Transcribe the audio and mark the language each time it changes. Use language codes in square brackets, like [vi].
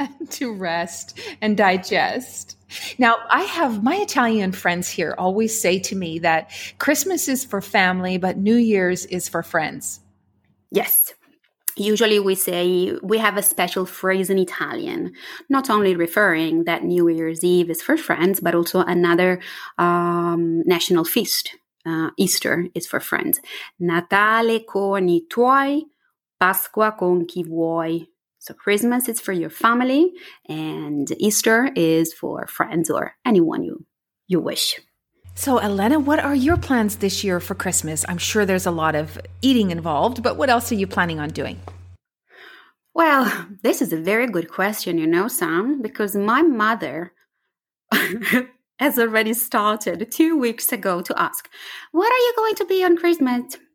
[en] To rest and digest. Now, I have my Italian friends here always say to me that Christmas is for family, but New Year's is for friends. Yes. Usually we say we have a special phrase in Italian, not only referring that New Year's Eve is for friends, but also another national feast, Easter, is for friends. [it] Natale con I tuoi, Pasqua con chi vuoi. [en] So Christmas is for your family and Easter is for friends or anyone you wish. So Elena, what are your plans this year for Christmas? I'm sure there's a lot of eating involved, but what else are you planning on doing? Well, this is a very good question, you know, Sam, because my mother has already started 2 weeks ago to ask, what are you going to be on Christmas?